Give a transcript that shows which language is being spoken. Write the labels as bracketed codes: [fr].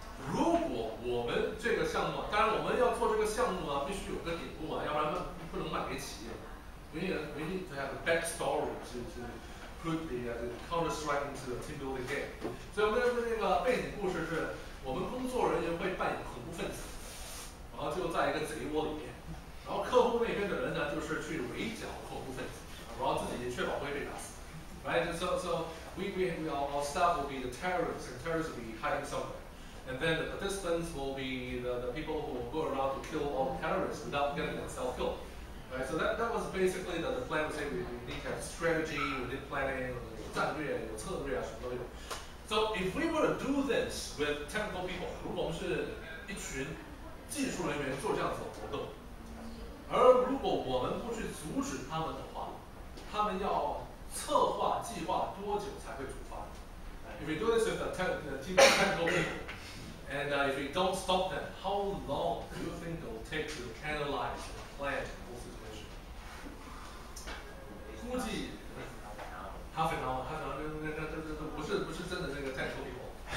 [zh] 如果我们这个项目，当然我们要做这个项目啊，必须有个底部啊，要不然不能卖给企业。 [en] We need to have a backstory to put the counter strike into the team building game. [zh] 所以我们的那个背景故事是，我们工作人员会扮演恐怖分子，然后就在一个贼窝里面，然后客户那边的人呢，就是去围剿恐怖分子，然后自己也确保不会被打死。 [en] Right? So we our staff will be the terrorists, and terrorists will be hiding somewhere. And then the participants will be the people who will go around to kill all the terrorists without getting themselves killed. Right, so that was basically the plan. We say we need to have strategy, we need planning, [zh] 战略有策略啊，什么都有。 [en] So if we were to do this with technical people, [zh] 如果我们是一群技术人员做这样子的活动，而如果我们不去阻止他们的话，他们要策划计划多久才会出发？ [en] If we do this with a technical people, and if we don't stop them, how long do you think it will take to analyze and plan the whole situation? [zh] 估计 [en] half an hour, [zh] 不是真的那个 [en] technical people.